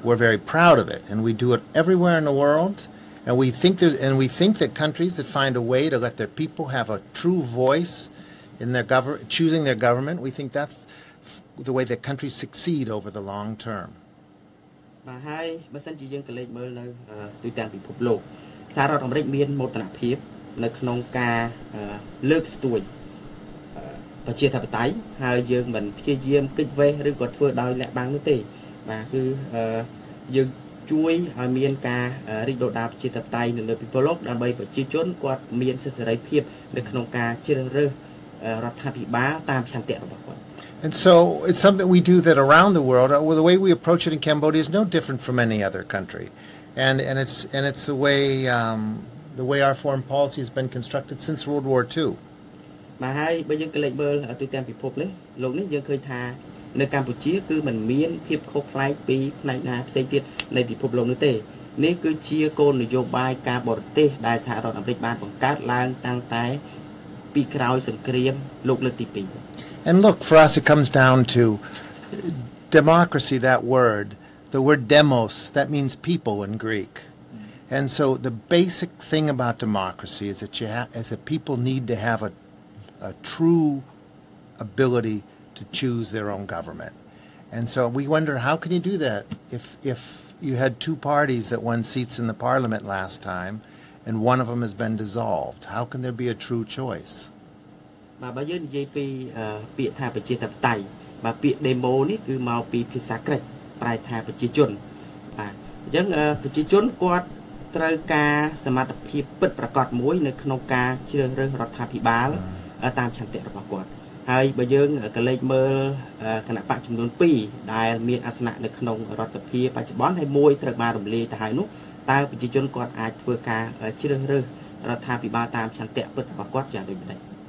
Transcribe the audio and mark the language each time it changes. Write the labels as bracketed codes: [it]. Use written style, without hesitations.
[en] We're very proud of it, and we do it everywhere in the world. And we think that countries that find a way to let their people have a true voice in their choosing their government, we think that's the way that countries succeed over the long term. [km] បាទហើយបើសិនជាយើងក្រឡេកមើលនៅទូទាំងពិភពលោកសហរដ្ឋអាមេរិកមានមោទនភាពនៅក្នុងការលើកស្ទួយប្រជាធិបតេយ្យហើយយើងមិនព្យាយាមគេចវេះឬក៏ធ្វើដោយលាក់បាំងនោះទេបាទគឺយើងជួយឲ្យមានការរីកដុះដាលប្រជាធិបតេយ្យនៅលើពិភពលោកដើម្បីប្រជាជនគាត់មានសិទ្ធិសេរីភាពនៅក្នុងការជ្រើសរើសរដ្ឋាភិបាលតាមឆន្ទៈរបស់គាត់ [en] And so it's something we do that around the world well, the way we approach it in Cambodia is no different from any other country and it's the way the way our foreign policy has been constructed since World War II. [km] មកហើយបើយើងក្លែកមើលទូទាំងពិភពនេះលោកនេះយើងឃើញថានៅកម្ពុជាគឺมันមានភាពខុសផ្លាយពីផ្នែកណាផ្សេងទៀតនៃពិភពលោកនេះទេនេះគឺជាគោលនយោបាយការបរទេសដែលសហរដ្ឋអាមេរិកបានបង្កើតឡើងតាំងតែពីក្រោយសង្គ្រាមលោកលើកទី2 [en] And look for us it comes down to democracy that word the word demos that means people in Greek and so the basic thing about democracy is that people need to have a true ability to choose their own government and so we wonder how can you do that if you had two parties that won seats in the parliament last time and one of them has been dissolved how can there be a true choice [km] បាទបើយើងនិយាយពីពាក្យថាប្រជាធិបតេយ្យបាទពាក្យ demo នេះគឺមកពីភាសាក្រិចប្រែថាប្រជាជនបាទអញ្ចឹងប្រជាជនគាត់ត្រូវការសមត្ថភាពពិតប្រាកដមួយនៅក្នុងការជ្រើសរើសរដ្ឋាភិបាលតាមឆន្ទៈរបស់គាត់ហើយបើយើងក៏លើកមើលគណៈបកចំនួន2ដែលមានអាសនៈនៅក្នុងរដ្ឋសភាបច្ចុប្បន្នហើយមួយត្រូវបានរំលាយទៅហើយនោះតើប្រជាជនគាត់អាចធ្វើការជ្រើសរើសរដ្ឋាភិបាលតាមឆន្ទៈពិតរបស់គាត់យ៉ាងដូចម្តេចប